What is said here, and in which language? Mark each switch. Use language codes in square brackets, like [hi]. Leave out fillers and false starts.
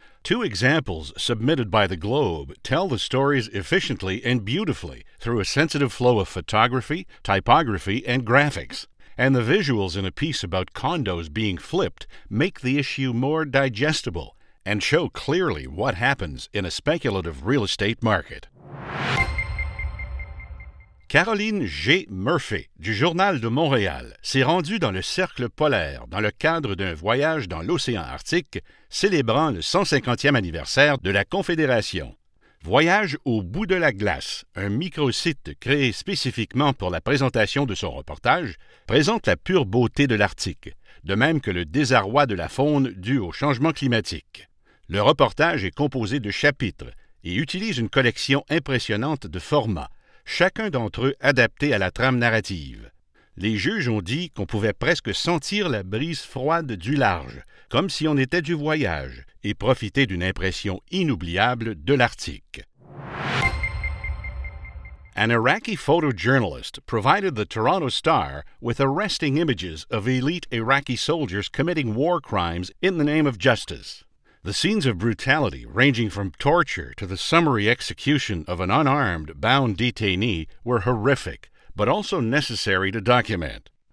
[en] Two examples submitted by The Globe tell the stories efficiently and beautifully through a sensitive flow of photography, typography, and graphics. And the visuals in a piece about condos being flipped make the issue more digestible and show clearly what happens in a speculative real estate market. Caroline G. [fr] Murphy, du Journal de Montréal, s'est rendue dans le cercle polaire dans le cadre d'un voyage dans l'océan Arctique célébrant le 150e anniversaire de la Confédération. Voyage au bout de la glace, un micro-site créé spécifiquement pour la présentation de son reportage, présente la pure beauté de l'Arctique, de même que le désarroi de la faune dû au changement climatique. Le reportage est composé de chapitres et utilise une collection impressionnante de formats, chacun d'entre eux adapté à la trame narrative. Les juges ont dit qu'on pouvait presque sentir la brise froide du large, comme si on était du voyage, et profiter d'une impression inoubliable de l'Arctique. [en] An Iraqi photojournalist provided the Toronto Star with arresting images of elite Iraqi soldiers committing war crimes in the name of justice. The scenes of brutality, ranging from torture to the summary execution of an unarmed, bound detainee, were horrific, but also necessary to document.